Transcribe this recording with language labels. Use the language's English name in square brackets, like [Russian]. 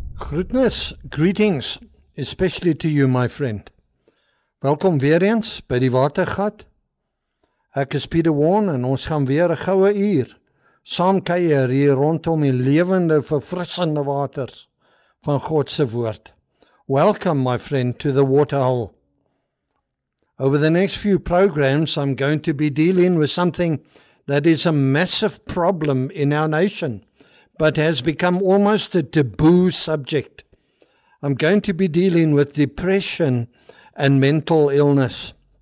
[English] Goodness, greetings, especially to you, my friend. [Afrikaans] Welkom weer eens by die Watergat. Ek is Pieter Warne en ons gaan weer 'n goue uur saam kuier hier rondom die lewende, verfrissende waters van God se woord. [English] Welcome, my friend, to the waterhole. Over the next few programs, I'm going to be dealing with something that is a massive problem in our nation, but has become almost a taboo subject. I'm going to be dealing with depression and mental illness.